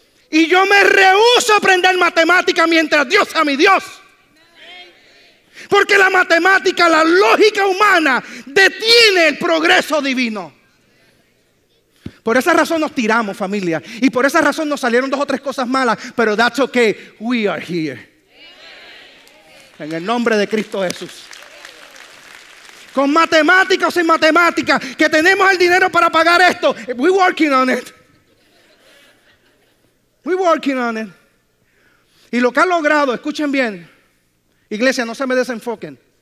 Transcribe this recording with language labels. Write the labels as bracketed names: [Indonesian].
[Spanish] Y yo me rehúso a aprender matemáticas mientras Dios sea mi Dios. Porque la matemática, la lógica humana, detiene el progreso divino. Por esa razón nos tiramos, familia. Y por esa razón nos salieron dos o tres cosas malas. [English] Pero that's okay, we are here. [Spanish] En el nombre de Cristo Jesús. Con matemática o sin matemática, que tenemos el dinero para pagar esto. [English] We're working on it. We're working on it. [Spanish] Y lo que ha logrado, escuchen bien, iglesia, no se me desenfoquen.